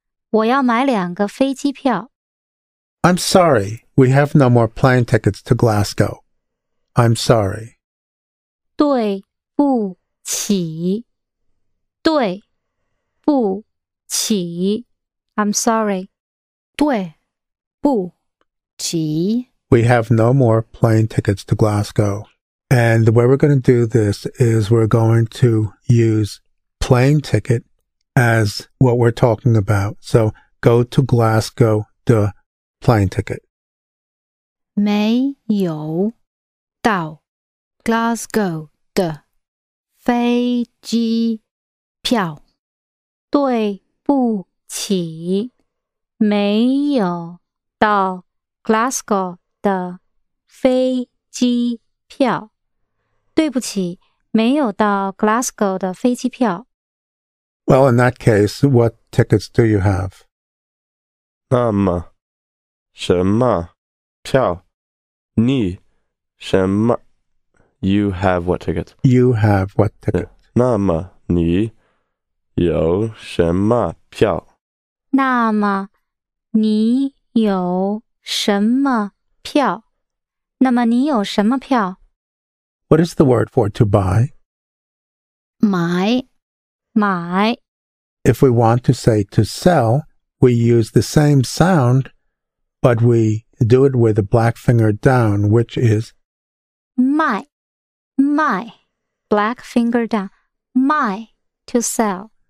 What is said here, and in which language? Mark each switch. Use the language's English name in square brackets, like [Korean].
[Chinese] 我要买两个飞机票。我要买两个飞机票。 [English] I'm sorry, we have no more plane tickets to Glasgow. I'm sorry. [Chinese] 对不起。对不起。 [English] I'm sorry. [Chinese] 对不起。 [English] We have no more plane tickets to Glasgow. And the way we're going to do this is we're going to use plane ticket as what we're talking about. So go to Glasgow, the plane ticket. [Chinese] 没有到 Glasgow 的飞机票. 对不起, 没有到 Glasgow 的飞机票. 对不起, 没有到 Glasgow 的飞机票. [English] Well, in that case, what tickets do you have? [Chinese] 那么什么票?你什么? [English] You have what tickets? You have what tickets? [Chinese] 那么你有什么票? 那么你有什么票? 那么你有什么票? [English] What is the word for to buy? [Chinese] Mai. Mai. [English] If we want to say to sell, we use the same sound, but we do it with a black finger down, which is Mai. Mai. Black finger down. Mai. To sell.